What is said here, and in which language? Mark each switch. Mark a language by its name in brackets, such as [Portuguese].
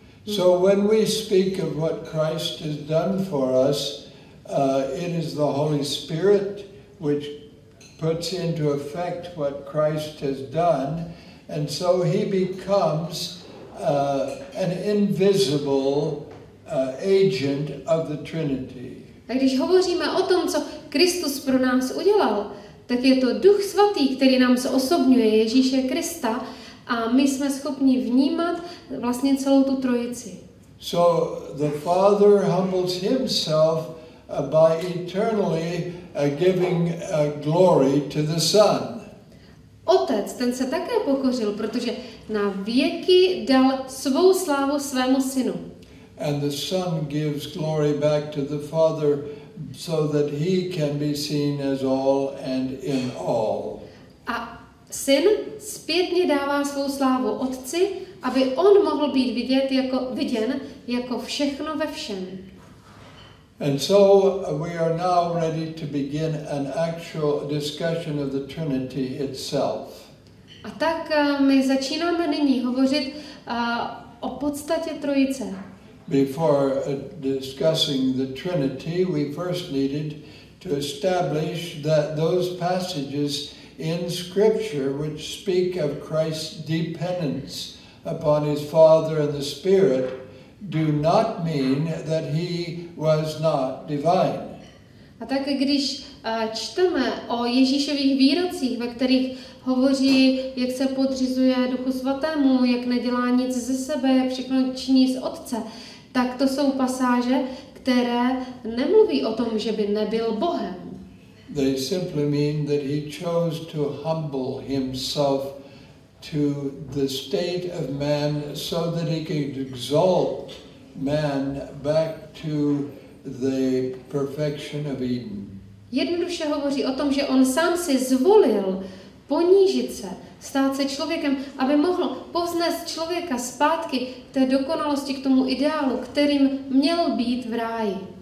[English] So when we speak of what Christ has done for us, it is the Holy Spirit which puts into effect what Christ has done, and so he becomes an invisible agent of the Trinity. [Czech] A když hovoříme o tom, co Kristus pro nás udělal, tak je to Duch svatý, který nám zosobňuje Ježíše Krista, a my jsme schopni vnímat vlastně celou tu trojici. [English] So the Father humbles himself by eternally giving glory to the Son. [Czech] Otec, ten se také pokořil, protože na věky dal svou slávu svému synu. [English] And the Son gives glory back to the Father so that he can be seen as all and in all. [Czech] A syn zpětně dává svou slávu otci, aby on mohl být viděn jako všechno ve všem. [English] And so we are now ready to begin an actual discussion of the Trinity itself. [Czech] A tak my začínáme nyní hovořit o podstatě trojice. [English] Before discussing the Trinity, we first needed to establish that those passages in Scripture which speak of Christ's dependence upon his Father and the Spirit do not mean that he was not divine. [Czech] A tak když čteme o Ježíšových výrocích, ve kterých hovoří, jak se podřizuje Duchu svatému, jak nedělá nic ze sebe, jak všechno činí z Otce, tak to jsou pasáže, které nemluví o tom, že by nebyl Bohem. [English] They simply mean that he chose to humble himself to the state of man so that he could exalt man back to the perfection of Eden. [Czech] Jednoduše hovoří o tom, že on sám si zvolil ponížit se, stát se člověkem, aby mohl povznést člověka zpátky té dokonalosti k tomu ideálu, kterým měl být v ráji.